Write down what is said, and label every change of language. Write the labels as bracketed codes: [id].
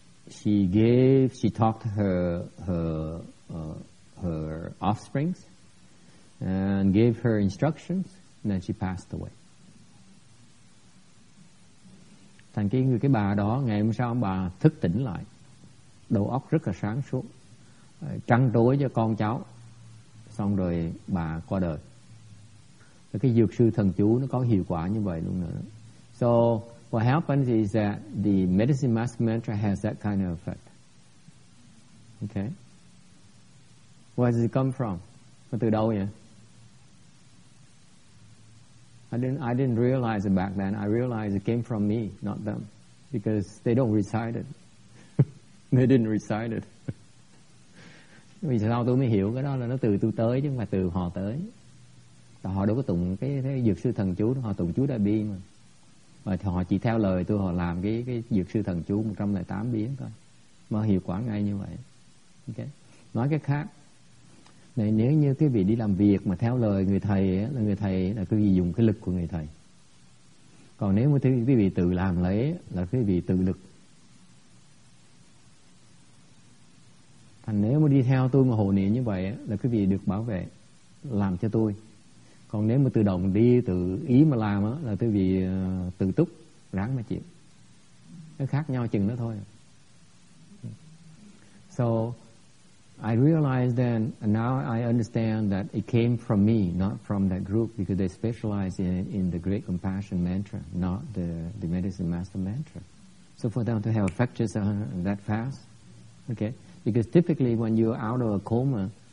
[en] She talked to her offsprings and gave her instructions, and then she passed away. [vi] Thành cái người cái bà đó, ngày hôm sau bà thức tỉnh lại, đầu óc rất là sáng suốt, trăn trối cho con cháu, xong rồi bà qua đời. Cái dược sư thần chú nó có hiệu quả như vậy luôn nữa. [en] So what happens is that the Medicine Master Mantra has that kind of effect. Okay. Where does it come from? [vi] Nó từ đâu vậy? [en] I didn't realize it back then. I realized it came from me, not them, because they don't recite it. They didn't recite it. [vi] Vì sao tôi mới hiểu cái đó là nó từ tôi tới chứ không phải từ họ tới. Họ đâu có tụng cái dược sư thần chú, họ tụng Chú Đại Bi mà. Và họ chỉ theo lời tôi, họ làm cái dược sư thần chú 108 biến thôi. Mà hiệu quả ngay như vậy. Okay. Nói cái khác, này, nếu như cái vị đi làm việc mà theo lời người thầy, là người thầy là cái vị dùng cái lực của người thầy. Còn nếu mà cái vị tự làm lấy, là cái vị tự lực. Thành nếu mà đi theo tôi mà hộ niệm như vậy, là cái vị được bảo vệ, làm cho tôi. Còn nếu mà tự động đi tự ý mà làm á, là tôi bị tự túc, ráng mà chịu. Nó khác nhau chừng đó thôi. [en] So I realized then, and now I understand that it came from me, not from that group, because they specialize in the Great Compassion Mantra, not the Medicine Master Mantra. So for them to have effects that fast, okay? Because typically when you're out of a coma,